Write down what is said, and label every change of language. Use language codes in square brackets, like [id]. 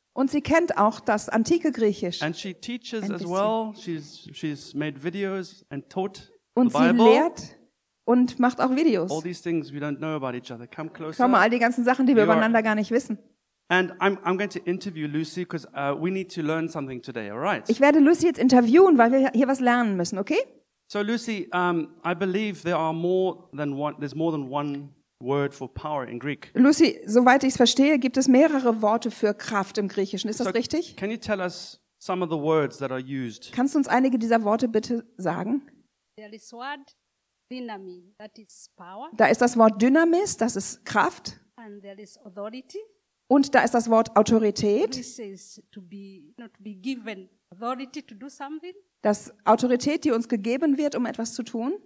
[de] Und sie kennt auch das antike Griechisch. [en] And she teaches as well. She's made videos and taught the Bible. [de] Und sie lehrt und macht auch Videos. [en] All these things we don't know about each other. Come closer. [de] Schau mal, all die ganzen Sachen, die wir übereinander gar nicht wissen. [en] And I'm going to interview Lucy because we need to learn something today, all right? [de] Ich werde Lucy jetzt interviewen, weil wir hier was lernen müssen, okay? [en] So Lucy, I believe there's more than one word for power in Greek. [de] Lucy, soweit ich es verstehe, gibt es mehrere Worte für Kraft im Griechischen. Ist das richtig? [en] Can you tell us some of the words that are used? [de] Kannst du uns einige dieser Worte bitte sagen? [en] There is word dynamis, that is power. [de] Da ist das Wort Dynamis, das ist Kraft. [en] And there is authority. [de] Und da ist das Wort Autorität. [en] This is to be given authority to do something. [de] Das Autorität, die uns gegeben wird, um etwas zu tun.